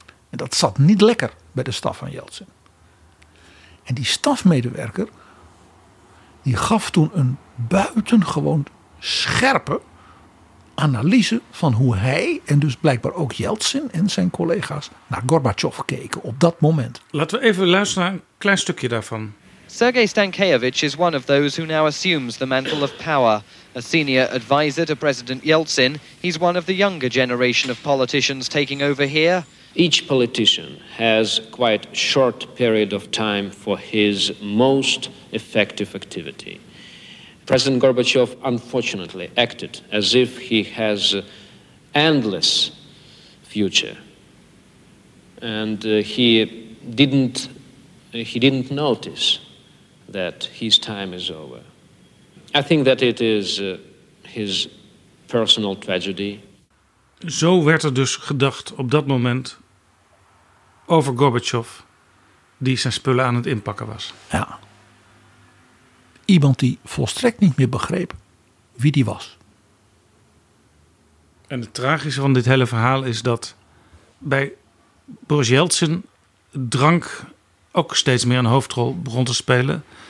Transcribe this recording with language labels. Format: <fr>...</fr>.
<nl>En dat zat niet lekker bij de staf van Jeltsin. En die stafmedewerker, die gaf toen een buitengewoon scherpe analyse van hoe hij en dus blijkbaar ook Jeltsin en zijn collega's naar Gorbachev keken op dat moment. Laten we even luisteren naar een klein stukje daarvan.</nl> <en>Sergei Stankevich is one of those who now assumes the mantle of power. A senior advisor to President Yeltsin, he's one of the younger generation of politicians taking over here. Each politician has quite short period of time for his most effective activity. President Gorbachev unfortunately acted as if he has endless future. And he didn't notice that his time is over. I think that it is his personal tragedy.</en> <nl>Zo werd er dus gedacht op dat moment over Gorbachev, die zijn spullen aan het inpakken was. Ja. Iemand die volstrekt niet meer begreep wie die was. En het tragische van dit hele verhaal is dat bij Boris Jeltsin drank ook steeds meer een hoofdrol begon te spelen.</nl>